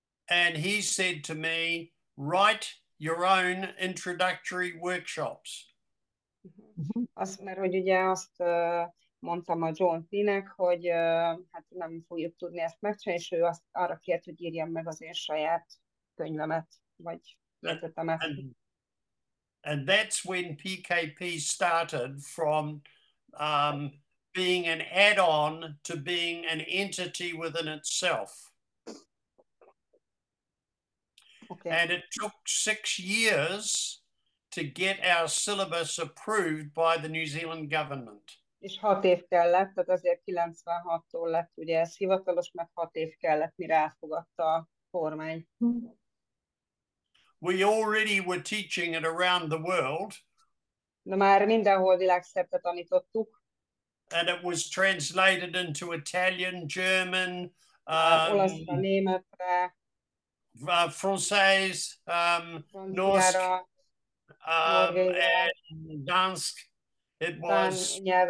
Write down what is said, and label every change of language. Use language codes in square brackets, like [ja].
[en] And he said to me, write your own introductory workshops. [hu] Azt, mert hogy ugye azt mondtam a John Thee-nek, hogy hát nem fogjuk tudni ezt megcsinálni, és ő azt arra kért, hogy írjam meg az én saját könyvemet, vagy ötletemet. [en] And that's when PKP started from being an add-on to being an entity within itself. Okay. And it took 6 years to get our syllabus approved by the New Zealand government. [hu] És 6 év kellett, tehát azért 96-tól lett ugye ez hivatalos, mert 6 év kellett, mire elfogadta a kormány. [en] We already were teaching it around the world. [hu] De már mindenhol világszerte tanítottuk. [en] and it was translated into Italian, German, Francais, Norsk, and Dansk. It was.